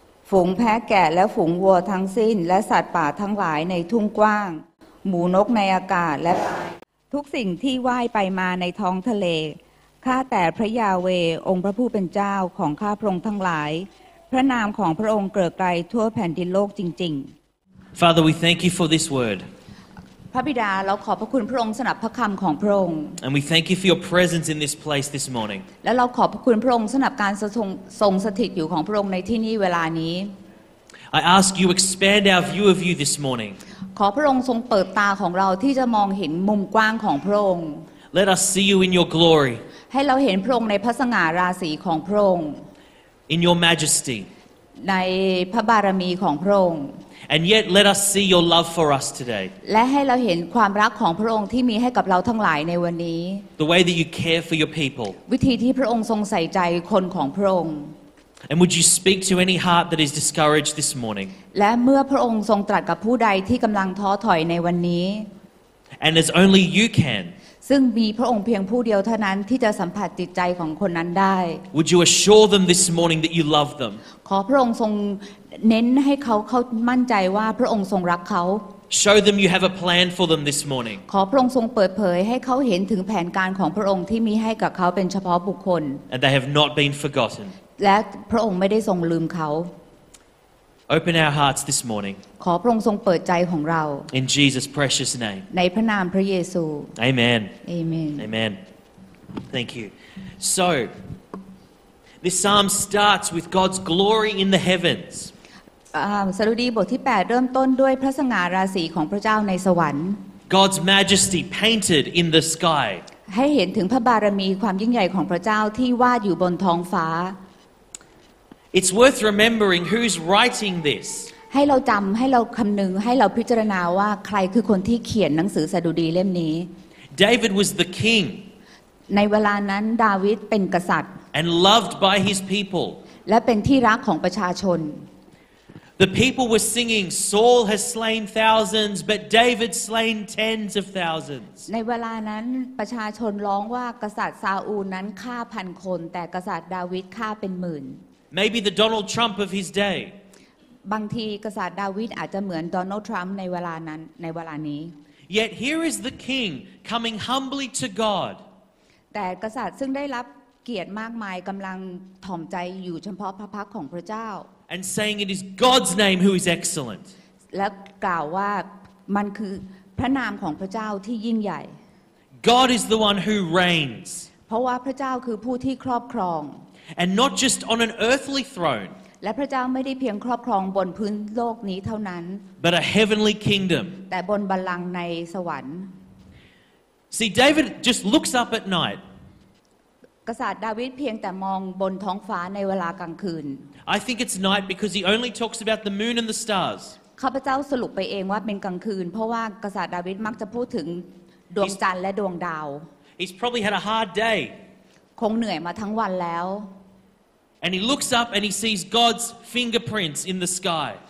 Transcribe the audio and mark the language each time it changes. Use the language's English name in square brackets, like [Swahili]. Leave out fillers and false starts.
[Thai] ฝูงแพะแกะและฝูงวัวทั้งสิ้นและสัตว์ป่าทั้งหลายในทุ่งกว้างหมูนกในอากาศและทุกสิ่งที่ว่ายไปมาในท้องทะเลข้าแต่พระยาเวองค์พระผู้เป็นเจ้าของข้าพระองค์ทั้งหลายพระนามของพระองค์เกริกไกรทั่วแผ่นดินโลกจริง [English] ๆ Father we thank you for this word [Thai] พระบิดาเราขอบพระคุณพระองค์สำหรับพระคำของพระองค์ [English] And we thank you for your presence in this place this morning [Thai] และเราขอบพระคุณพระองค์สำหรับการทรงสถิตอยู่ของพระองค์ในที่นี้เวลานี้ [English] I ask you expand our view of you this morning [Thai] ขอพระองค์ทรงเปิดตาของเราที่จะมองเห็นมุมกว้างของพระองค์ [English] Let us see you in your glory [Thai] ให้เราเห็นพระองค์ในพระสง่าราศีของพระองค์ [English] In your majesty [Thai] ในพระบารมีของพระองค์ [English] And yet let us see your love for us today. [Thai] และให้เราเห็นความรักของพระองค์ที่มีให้กับเราทั้งหลายในวันนี้ [English] The way that you care for your people. [Thai] วิธีที่พระองค์ทรงใส่ใจคนของพระองค์ [English] And would you speak to any heart that is discouraged this morning? [Thai] และเมื่อพระองค์ทรงตรัสกับผู้ใดที่กำลังท้อถอยในวันนี้ [English] And as only you can. [Thai] ซึ่งมีพระองค์เพียงผู้เดียวเท่านั้นที่จะสัมผัสจิตใจของคนนั้นได้ [English] Would you assure them this morning that you love them? [Thai] ขอพระองค์ทรงเน้นให้เขามั่นใจว่าพระองค์ทรงรักเขา [English] Show them you have a plan for them this morning. [Thai] ขอพระองค์ทรงเปิดเผยให้เขาเห็นถึงแผนการของพระองค์ที่มีให้กับเขาเป็นเฉพาะบุคคล [English] And they have not been forgotten. [Thai] และพระองค์ไม่ได้ทรงลืมเขา [English] Open our hearts this morning. [Thai] ขอพระองค์ทรงเปิดใจของเรา [English] In Jesus' precious name. [Thai] ในพระนามพระเยซู [English] Amen. Amen. Amen. Thank you. So, this psalm starts with God's glory in the heavens. [Thai] สดุดีบทที่8เริ่มต้นด้วยพระสง่าราศีของพระเจ้าในสวรรค์ [English] God's majesty painted in the sky. [Thai] ให้เห็นถึงพระบารมีความยิ่งใหญ่ของพระเจ้าที่วาดอยู่บนท้องฟ้า [English] It's worth remembering who's writing this. [Thai] ให้เราจำให้เราคำนึงให้เราพิจารณาว่าใครคือคนที่เขียนหนังสือสดุดีเล่มนี้ [English] David was the king. [Thai] ในเวลานั้นดาวิดเป็นกษัตริย์ [English] And loved by his people. [Thai] และเป็นที่รักของประชาชน [English] The people were singing, Saul has slain thousands, but David slain tens of thousands. [Thai] ในเวลานั้นประชาชนร้องว่ากษัตริย์ซาอูลนั้นฆ่าพันคนแต่กษัตริย์ดาวิดฆ่าเป็นหมื่น [English] Maybe the Donald Trump of his day. [Thai] บางทีกษัตริย์ดาวิดอาจจะเหมือนโดนัลด์ทรัมป์ในเวลานั้นในเวลานี้ [English] Yet here is the king coming humbly to God. [Thai] แต่กษัตริย์ซึ่งได้รับเกียรติมากมายกำลังถ่อมใจอยู่เฉพาะพระพักของพระเจ้า [English] And saying it is God's name who is excellent. [Thai] และกล่าวว่ามันคือพระนามของพระเจ้าที่ยิ่งใหญ่ [English] God is the one who reigns. [Thai] เพราะว่าพระเจ้าคือผู้ที่ครอบครอง [English] And not just on an earthly throne. [Thai] และพระเจ้าไม่ได้เพียงครอบครองบนพื้นโลกนี้เท่านั้น [English] But a heavenly kingdom. [Thai] แต่บนบัลลังก์ในสวรรค์ [English] See, David just looks up at night. [Thai] กษัตริย์ดาวิดเพียงแต่มองบนท้องฟ้าในเวลากลางคืน [English] I think it's night because he only talks about the moon and the stars. [Thai] ข้าพเจ้าสรุปไปเองว่าเป็นกลางคืนเพราะว่ากษัตริย์ดาวิดมักจะพูดถึงดวงจันทร์และดวงดาว [English] He's probably had a hard day. [Thai] คงเหนื่อยมาทั้งวันแล้ว [English] And he looks up and he sees God's fingerprints in the sky.